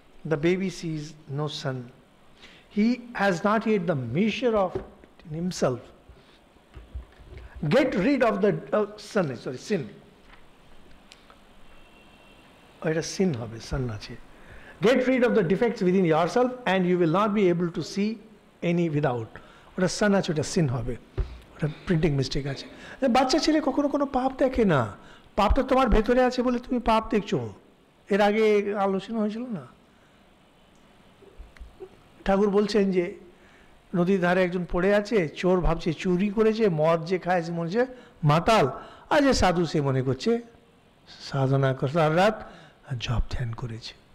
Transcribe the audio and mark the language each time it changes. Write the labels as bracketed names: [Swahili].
[English] the baby sees no sun, he has not yet the measure of himself, get rid of the sun, sorry sin, [Bangla] এটা scene হবে, সান আছে। [English] Get rid of the defects within yourself and you will not be able to see any without. [Bangla] ওটা সান আছে, ওটা scene হবে, ওটা printing mistake আছে। বাচ্চা ছেলে কখনো কোনো পাপ দেখে না, পাপটা তোমার ভেতরে আছে বলে তুমি পাপ দেখছো, এর আগে আলোচনা হয়েছিল না? ঠাকুর বলছেন যে নদীর ধারে একজন পড়ে আছে, চোর ভাবছে চুরি করেছে, মদ যে খায় সে মনে হচ্ছে মাতাল, আর যে সাধু সে মনে করছে সাধনা করছে, আর রাত জপ ধ্যান করেছে।